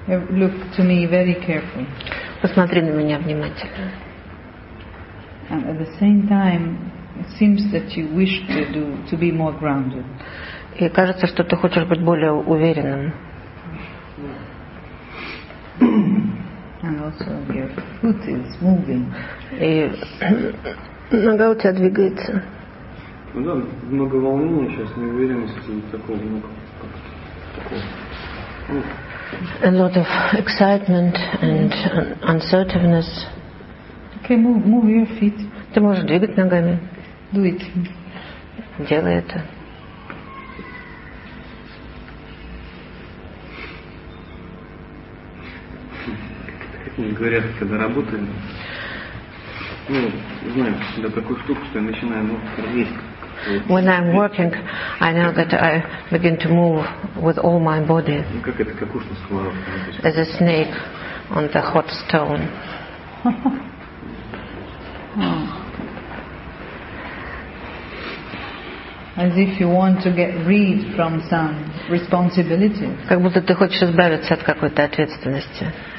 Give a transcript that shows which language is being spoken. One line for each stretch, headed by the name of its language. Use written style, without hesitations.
English: Look to me very carefully.
Russian: Посмотри на меня внимательно.
English: And at the same time, it seems that you wish to do to be more grounded.
Russian: И кажется, что ты хочешь быть более уверенным.
English: And also your foot is moving.
Russian: И нога у тебя двигается. Ну да, много волнений сейчас, неуверенности и такого, ну как-то.
English: A lot of excitement and uncertainness. Okay, move your feet.
Russian: Ты можешь двигать ногами.
English: Do it.
Russian: Делай это. Как мне говорят, когда работаем, ну, знаю, для такой штуки, что я начинаю, ну, есть.
English: When I'm working, I know that I begin to move with all my body as a snake on the hot stone. As if you want to get rid from some responsibility.
Russian: Как будто ты хочешь избавиться от какой-то ответственности.